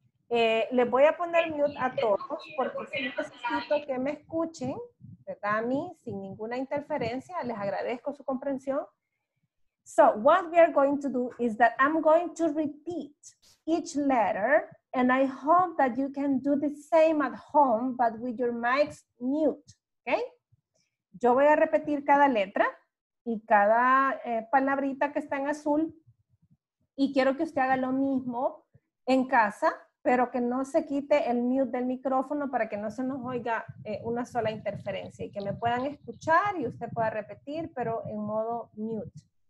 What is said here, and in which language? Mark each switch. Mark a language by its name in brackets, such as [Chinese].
[Spanish] Les voy a poner mute a todos porque sí necesito que me escuchen. A mí, sin ninguna interferencia, les agradezco su comprensión. [English] So, what we are going to do is that I'm going to repeat each letter, and I hope that you can do the same at home, but with your mics mute, okay? [Spanish] Yo voy a repetir cada letra y cada palabrita que está en azul, y quiero que usted haga lo mismo en casa, pero que no se quite el mute del micrófono para que no se nos oiga una sola interferencia y que me puedan escuchar y usted pueda repetir, pero en modo mute.